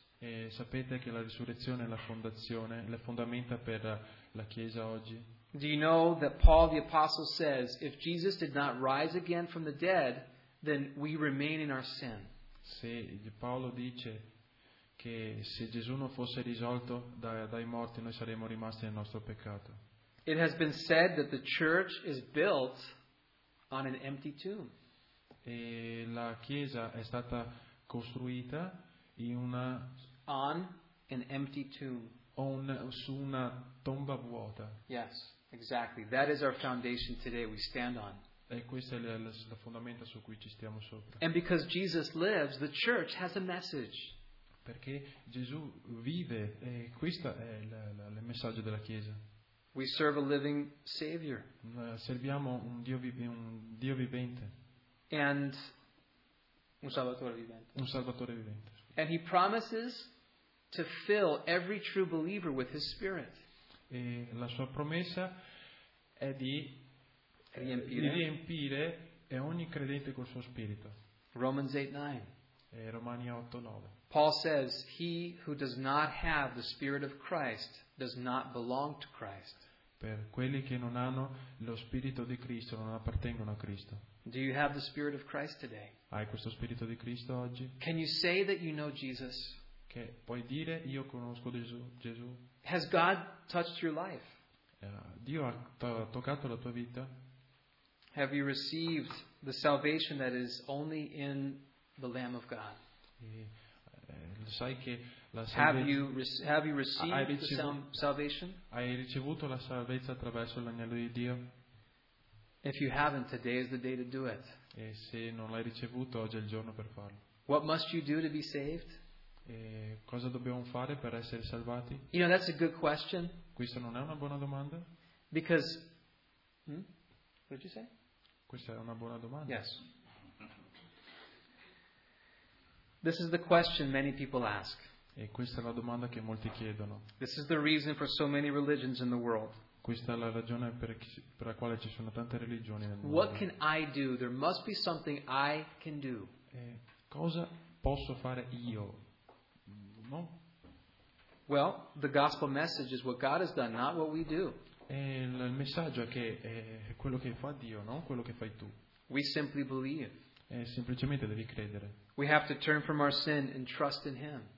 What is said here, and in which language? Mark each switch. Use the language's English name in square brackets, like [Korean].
[Italian] E sapete che la risurrezione è la fondazione, le fondamenta per la Chiesa oggi. [English] Do you know that Paul the Apostle says, if Jesus did not rise again from the dead, then we remain in our sin. [Italian] Se Paolo dice che se Gesù non fosse risolto dai morti, noi saremmo rimasti nel nostro peccato. [English] It has been said that the church is built on an empty tomb. [Italian] E la chiesa è stata costruita in una [English] on an empty tomb. [Italian] Su una tomba vuota. [English] Yes. Exactly. That is our foundation today we stand on. [Italian] E questo è il fondamento su cui ci stiamo sopra. [English] And because Jesus lives, the church has a message. [Italian] Perché Gesù vive, e questo è il messaggio della Chiesa. [English] We serve a living Savior. [Italian] Serviamo un Dio vivente. And un Salvatore vivente. [English] And He promises to fill every true believer with His Spirit. [Italian] E la sua promessa è di riempire ogni credente col suo spirito. [English] Romans 8:9. [Italian] E Romani 8:9. [English] Paul says, he who does not have the Spirit of Christ does not belong to Christ. [Italian] Per quelli che non hanno lo Spirito di Cristo non appartengono a Cristo. [English] Do you have the Spirit of Christ today? [Italian] Hai questo Spirito di Cristo oggi? [English] Can you say that you know Jesus? [Italian] Che puoi dire io conosco Gesù? [English] Has God touched your life? [Italian] Dio ha toccato la tua vita? [English] Have you received the salvation that is only in the Lamb of God? [Italian] Sai che [English] have you received the salvation? [Italian] Hai ricevuto la salvezza attraverso l'agnello di Dio? [English] If you haven't, today is the day to do it. [Italian] E se non l'hai ricevuto, oggi è il giorno per farlo. [English] What must you do to be saved? [Italian] E cosa dobbiamo fare per essere salvati? [English] You know, that's a good question. [Italian] Questa non è una buona domanda? [English] Because what did you say? [Italian] Questa è una buona domanda. [English] Yes. This is the question many people ask. [Italian] E questa è la domanda che molti chiedono. [English] This is the reason for so many religions in the world. [Italian] Questa è la ragione per la quale ci sono tante religioni nel mondo. [English] What can I do? There must be something I can do. [Italian] Cosa posso fare io? No. [English] Well, the gospel message is what God has done, not what we do. [Italian] Il messaggio è che è quello che fa Dio, non quello che fai tu. [English] We simply believe. [Italian] Semplicemente devi credere. [English] We have to turn from our sin and trust in Him.